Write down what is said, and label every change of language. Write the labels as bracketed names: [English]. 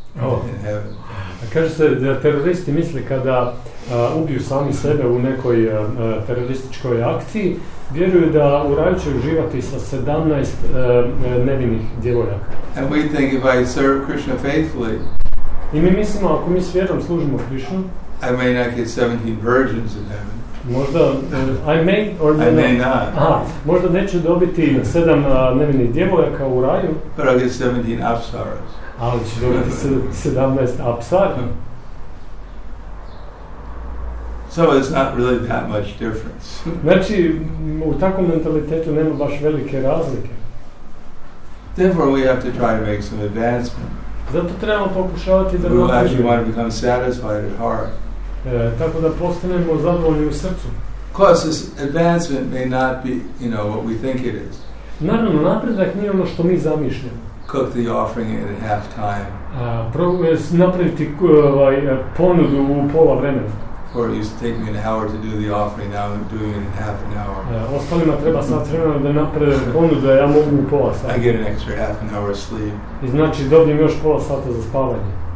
[Croatian] Oh. Kaže se da teroristi misle kada ubiju sami sebe u nekoj terorističkoj akciji, vjeruju da u raju će uživati sa 17 nevinih djevojaka. [English] And we think if I serve Krishna faithfully, [Croatian] i mi mislimo, ako mi s vjerom služimo Krishnu, [English] I may not get 17 virgins in heaven. [Croatian] Možda, [English] I may or I may not. [Croatian] Možda neću dobiti 7 nevinih djevojaka u raju. [English] But I'll get 17 apsaras. [Croatian] Ali će dobiti 17 apsara. [English] So it's not really that much difference. [Croatian] Znači, u takvom mentalitetu nema baš velike razlike. [English] Therefore we have to try to make some advancement. [Croatian] Zato trebamo pokušavati da... [English] We will actually want to become satisfied at heart. [Croatian] Tako da postanemo zadovoljni u srcu. [English] Because this advancement may not be, you know, what we think it is. [Croatian] Naravno, napredak nije ono što mi zamišljamo. [English] Cook the offering at half time. [Croatian] Napraviti ponudu u pola vremena. [English] For it used to take me an hour to do the offering, now I'm doing it in half an hour. [Croatian] Ostalima treba sat vremena da naprave ponudu, ja mogu u pola sata. [English] I get an extra half an hour sleep. [Croatian] I znači dobijem još pola sata za spavanje.